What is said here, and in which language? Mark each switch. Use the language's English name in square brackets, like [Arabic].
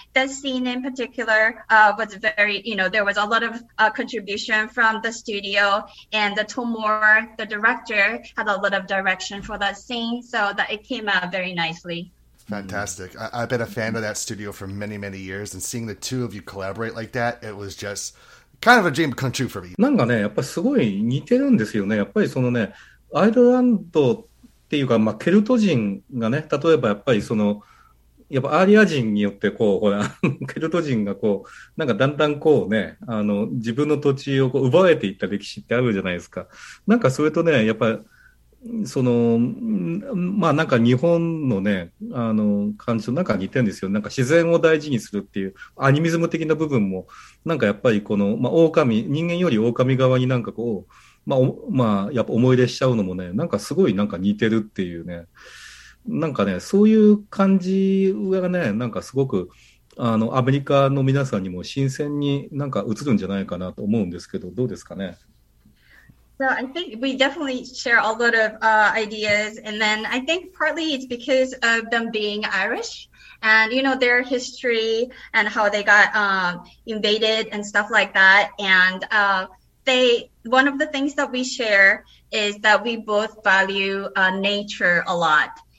[English] That scene in particular, was very, you know, there was a lot of, contribution from the studio and the Tom Moore, the director, had a lot of direction for that scene so that it came out very nicely. Fantastic. I've been a fan of that studio for many, many years, and seeing the two of you collaborate like that, it was just kind of a dream come true for me. [Japanese] なんかね、やっぱすごい似てるんですよね。やっぱりそのね、アイルランドっていうか、まあ、ケルト人がね、例えばやっぱりその、やっぱアーリア人によってこう、ほら、ケルト人がこう、なんかだんだんこうね、自分の土地をこう奪われていった歴史ってあるじゃないですか。なんかそれとね、やっぱ、その、まあなんか日本のね、感じとなんか似てるんですよ。なんか自然を大事にするっていう、アニミズム的な部分も、なんかやっぱりこの、まあ、狼、人間より狼側になんかこう、まあ、やっぱ思い出しちゃうのもね、なんかすごいなんか似てるっていうね、なんかね、そういう感じがね、なんかすごく、アメリカの皆さんにも新鮮になんか映るんじゃないかなと思うんですけど、どうですかね。 [English] So I think we definitely share a lot of, ideas, and then I think partly it's because of them being Irish, and you know, their history and how they got, invaded and stuff like that, and, one of the things that we share is that we both value, nature a lot.